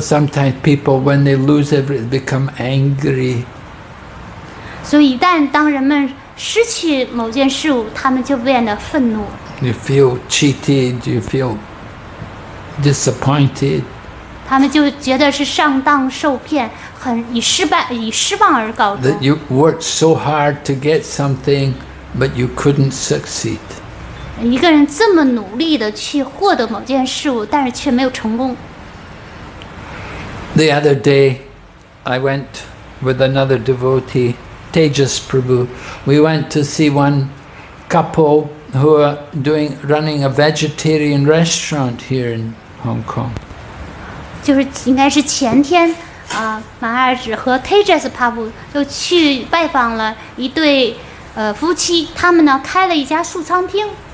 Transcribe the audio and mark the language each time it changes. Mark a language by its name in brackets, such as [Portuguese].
[English] sometimes people, when they lose everything, become angry. [Chinese] 所以一旦当人们失去某件事物，他们就变得愤怒。 [English] You feel cheated. You feel disappointed. [Chinese] 他们就觉得是上当受骗，很以失败、以失望而告终。 [English] That you worked so hard to get something, but you couldn't succeed. [Chinese] 一个人这么努力地去获得某件事物，但是却没有成功。 [English] The other day, I went with another devotee, Tejas Prabhu. We went to see one couple who are running a vegetarian restaurant here in Hong Kong. [Chinese] 就是应该是前天，马尔子和 Tejas Prabhu 就去拜访了一对夫妻，他们呢开了一家素餐厅。